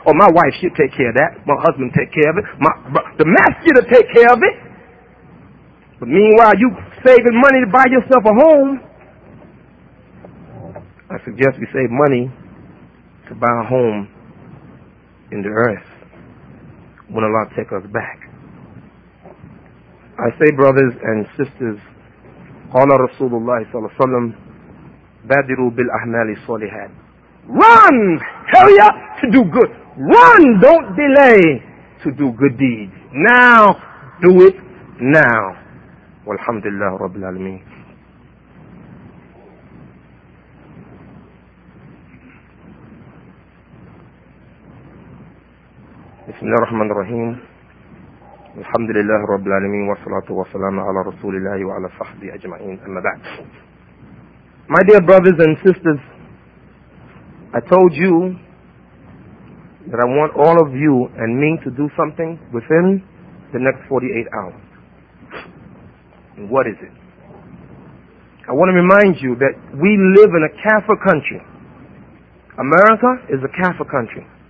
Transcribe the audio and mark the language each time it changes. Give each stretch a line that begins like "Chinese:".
English: Or my wife, she'll take care of that. My husband take care of it. The master to take care of it. But meanwhile, you saving money to buy yourself a home. I suggest you save money to buy a home in the earth when Allah take us back. I say, brothers and sisters,
Arabic: قال رسول الله صلى الله عليه وسلم بادروا بالأعمال الصالحات.
English: Run! Hurry up to do good. Run! Don't delay to do good deeds. Now, do it now.
Arabic: والحمد لله رب العالمين. بسم الله الرحمن الرحيم. الحمد لله رب العالمين والصلاة والسلام على رسول الله وعلى صحبه أجمعين. أما بعد.
English: My dear brothers and sisters, I told you that I want all of you and me to do something within the next 48 hours. And what is it? I want to remind you that we live in a Kafir country. America is a Kafir country.